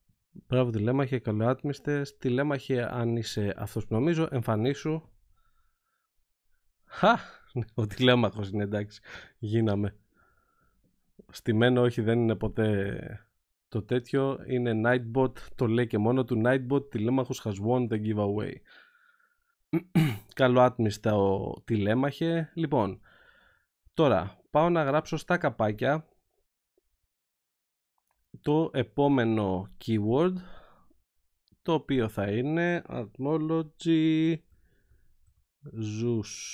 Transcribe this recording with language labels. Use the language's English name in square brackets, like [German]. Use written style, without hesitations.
[Greek] Μπράβο Τηλέμαχε, καλοάτμιστες. Τηλέμαχε, αν είσαι αυτός που νομίζω, εμφανίσου. Χα! Ο Τηλέμαχος είναι, εντάξει. Γίναμε. Στημένο, όχι, δεν είναι ποτέ το τέτοιο. Είναι Nightbot, το λέει και μόνο του. [English] Nightbot, Τηλέμαχος has won the giveaway. [Greek] Καλοάτμιστα ο Τηλέμαχε. Λοιπόν, τώρα πάω να γράψω στα καπάκια το επόμενο keyword, το οποίο θα είναι Atmology Zeus.